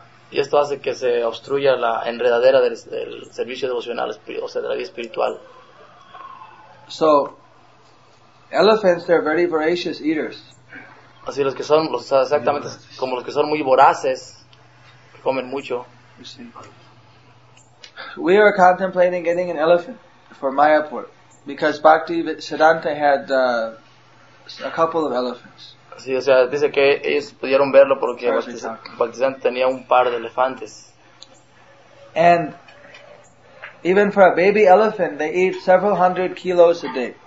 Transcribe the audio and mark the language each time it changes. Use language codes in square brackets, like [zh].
[es] Y esto hace que se obstruya la enredadera del servicio devocional, o sea, de la vida espiritual. [en] So, elephants, they're very voracious eaters. [es] Así los que son, exactamente, como los que son muy voraces, que comen mucho. [en] We are contemplating getting an elephant for Mayapur, because Bhakti Siddhanta had a couple of elephants. [es] Sí, o sea, dice que ellos pudieron verlo porque Bhakti Siddhanta tenía un par de elefantes. [en] And even for a baby elephant, they eat several hundred kilos a day.